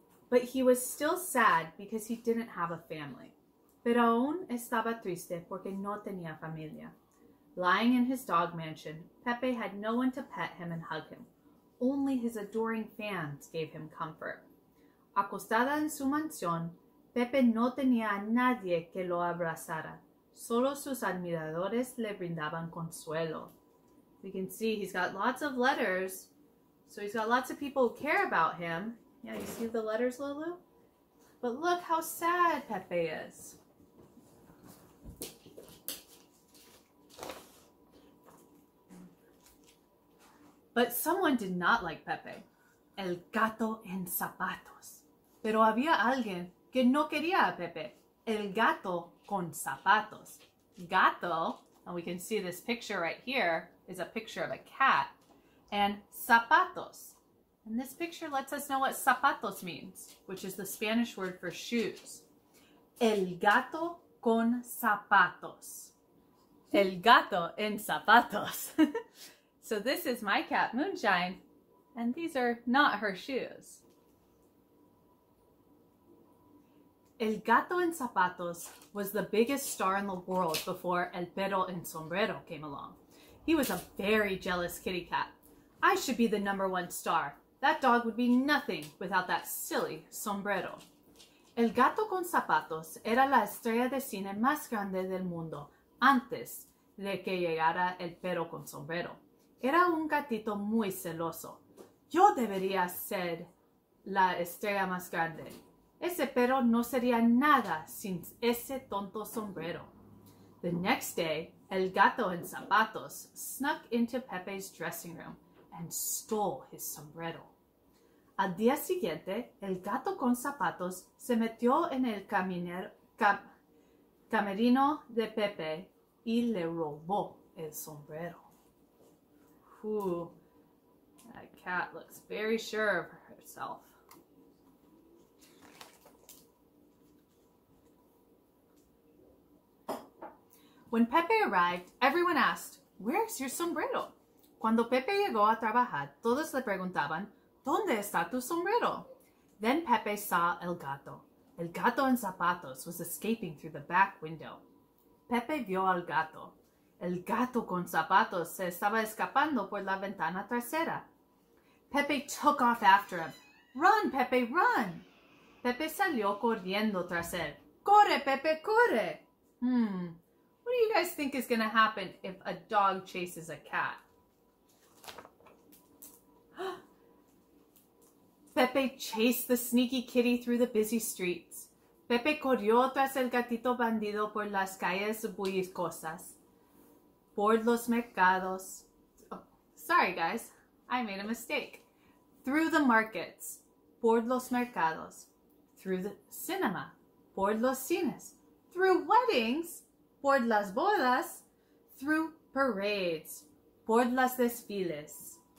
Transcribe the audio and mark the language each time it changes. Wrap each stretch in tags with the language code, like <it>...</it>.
<en>But he was still sad because he didn't have a family.</en> <es>Pero aún estaba triste porque no tenía familia.</es> <en>Lying in his dog mansion, Pepe had no one to pet him and hug him. Only his adoring fans gave him comfort.</en> <es>Acostada en su mansión, Pepe no tenía a nadie que lo abrazara. Solo sus admiradores le brindaban consuelo.</es> <en>We can see he's got lots of letters. So he's got lots of people who care about him. Yeah, you see the letters, Lolu? But look how sad Pepe is. But someone did not like Pepe. El gato en zapatos.</en> <es>Pero había alguien que no quería a Pepe, el gato con zapatos.</es> <en>Gato, and we can see this picture right here, is a picture of a cat, and zapatos. And this picture lets us know what zapatos means, which is the Spanish word for shoes.</en> <es>El gato con zapatos. El gato en zapatos.</es> <en>So this is my cat, Moonshine, and these are not her shoes. El gato en zapatos was the biggest star in the world before El Perro en Sombrero came along. He was a very jealous kitty cat. I should be the number one star. That dog would be nothing without that silly sombrero.</en> <es>El gato con zapatos era la estrella de cine más grande del mundo antes de que llegara El Perro con Sombrero. Era un gatito muy celoso. Yo debería ser la estrella más grande. Ese perro no sería nada sin ese tonto sombrero.</es> <en>The next day, El gato en zapatos snuck into Pepe's dressing room and stole his sombrero.</en> <es>Al día siguiente, el gato con zapatos se metió en el camerino de Pepe y le robó el sombrero.</es> <en>Whew, that cat looks very sure of herself. When Pepe arrived, everyone asked, "Where's your sombrero?"</en> <es>Cuando Pepe llegó a trabajar, todos le preguntaban, "¿Dónde está tu sombrero?"</es> <en>Then Pepe saw el gato. El gato en zapatos was escaping through the back window.</en> <es>Pepe vio al gato. El gato con zapatos se estaba escapando por la ventana trasera.</es> <en>Pepe took off after him. "Run, Pepe, run!"</en> <es>Pepe salió corriendo tras él. "Corre, Pepe, corre!"</es> <en>What do you guys think is going to happen if a dog chases a cat? Pepe chased the sneaky kitty through the busy streets.</en> <es>Pepe corrió tras el gatito bandido por las calles bulliciosas, por los mercados.</es> <en>Oh, sorry, guys. I made a mistake. Through the markets,</en> <es>por los mercados,</es> <en>through the cinema,</en> <es>por los cines,</es> <en>through weddings,</en> <es>por las bodas,</es> <en>through parades,</en> <es>por las desfiles.</es>